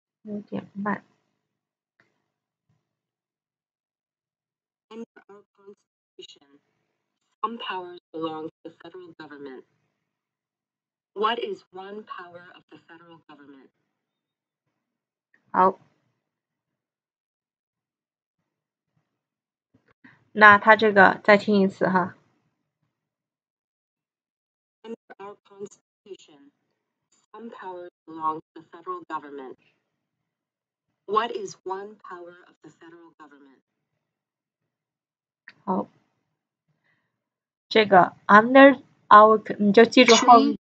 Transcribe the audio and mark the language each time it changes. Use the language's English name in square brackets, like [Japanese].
[English] Under our Constitution, some powers belong to the federal government. What is one power of the federal government? [Chinese] 好，那他这个再听一次哈。 [English] Under our Constitution, some powers belong to the federal government. What is one power of the federal government? [Chinese] 好，这个 [English] under our [Chinese] 你就记住后